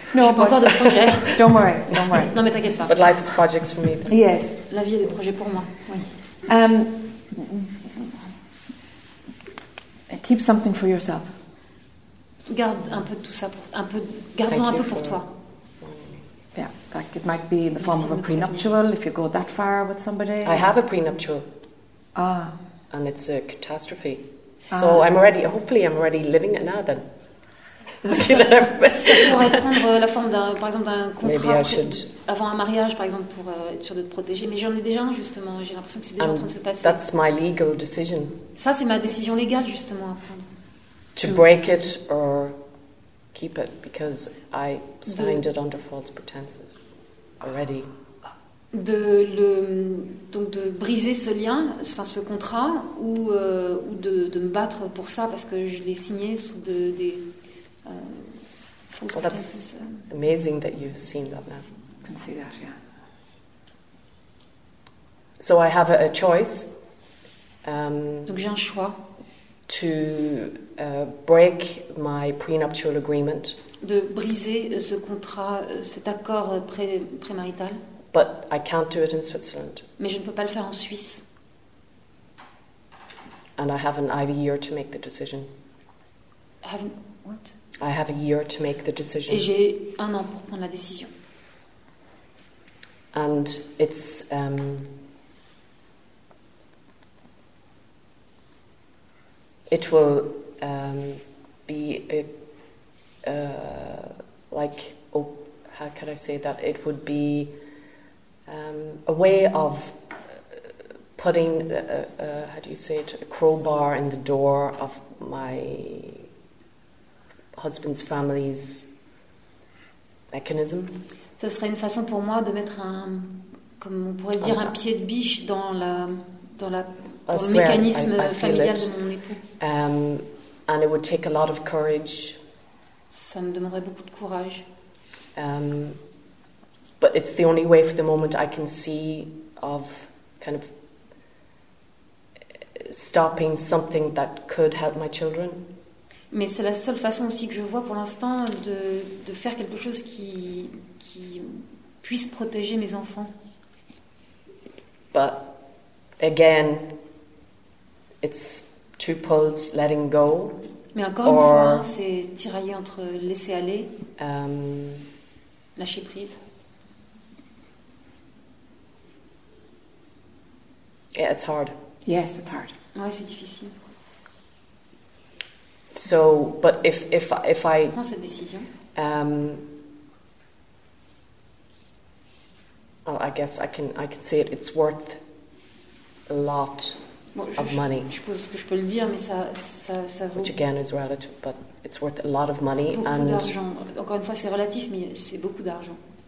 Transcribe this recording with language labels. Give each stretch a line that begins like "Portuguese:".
French: No, j'ai pas encore de projet.
English: Don't worry.
French: Non, mais t'inquiète pas.
English: But life is projects for me. Yes.
French: La vie est des projets pour moi. Oui.
English: Keep something for yourself.
French: Garde un peu tout ça pour un peu. Gardons un peu pour toi.
English: Yeah, like it might be in the form of a prenuptial if you go that far with somebody. I have a prenuptial. Ah. And it's a catastrophe. So I'm already. Hopefully, I'm already living it now. Then.
French: Ça pourrait prendre la forme d'un, par exemple, d'un contrat avant un mariage, par exemple, pour être sûr de te protéger. Mais j'en ai déjà un, justement. J'ai l'impression que c'est déjà en train de se passer.
English: That's my legal decision.
French: Ça, c'est ma décision légale, justement, à prendre.
English: To break it or keep it, because I signed it under false pretenses already.
French: De briser ce lien, enfin ce contrat, ou de me battre pour ça, parce que je l'ai signé sous des
English: Well, that's amazing that you've seen that now. I can see that, yeah. So I have a choice.
French: Donc j'ai un choix.
English: To break my prenuptial agreement.
French: De briser ce contrat, cet accord prémarital.
English: But I can't do it in Switzerland.
French: Mais je ne peux pas le faire en Suisse.
English: And I have an IV year to make the decision. I have a year to make the decision.
French: Et j'ai un an pour prendre la décision.
English: And it's it will be a, like oh how can I say that it would be a way of putting how do you say it a crowbar in the door of my husband's family's mechanism.
French: Ça serait une façon pour moi de mettre un, comme on pourrait dire, un pied de biche dans le mécanisme familial de mon époux.
English: And it would take a lot of courage.
French: Ça me demanderait beaucoup de courage.
English: But it's the only way for the moment I can see of kind of stopping something that could help my children.
French: Mais c'est la seule façon aussi que je vois pour l'instant de faire quelque chose qui puisse protéger mes enfants.
English: But again, it's two poles, letting go.
French: Mais encore une fois, c'est tiraillé entre laisser aller, lâcher prise.
English: Yeah, it's hard. Yes, it's hard.
French: Ouais, c'est difficile.
English: So, but if I
French: prends cette décision.
English: Well, I guess I can say it. It's worth a lot of money.
French: Je suppose que je peux le dire, mais ça vaut.
English: Which again is relative, but it's worth a lot of money.
French: Beaucoup d'argent. Encore une fois, c'est relatif, mais c'est beaucoup d'argent.